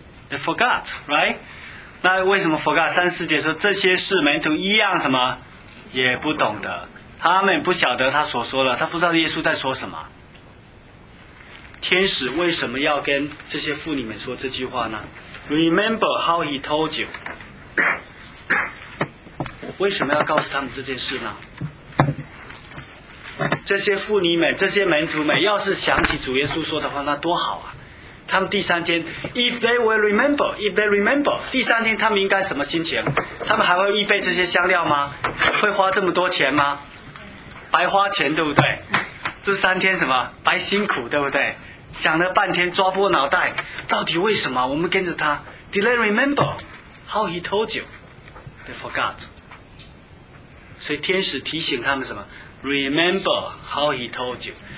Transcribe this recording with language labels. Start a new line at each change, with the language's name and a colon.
English: They forgot, right?
Chinese: 那为什么 forgot? 三四节说这些事门徒一样什么也不懂得，他们不晓得他所说的，他不知道耶稣在说什么。天使为什么要跟这些妇女们说这句话呢？
English: Remember how he told you.
Chinese: 为什么要告诉他们这件事呢？这些妇女们，这些门徒们，要是想起主耶稣说的话，那多好啊！他们第三天 ，
English: if they remember，
Chinese: 第三天他们应该什么心情？他们还会预备这些香料吗？会花这么多钱吗？白花钱，对不对？这三天什么白辛苦，对不对？想了半天，抓破脑袋，到底为什么我们跟着他 ？
English: Did they remember how he told you? They forgot.
Chinese: 所以天使提醒他们什么？
English: Remember how he told you.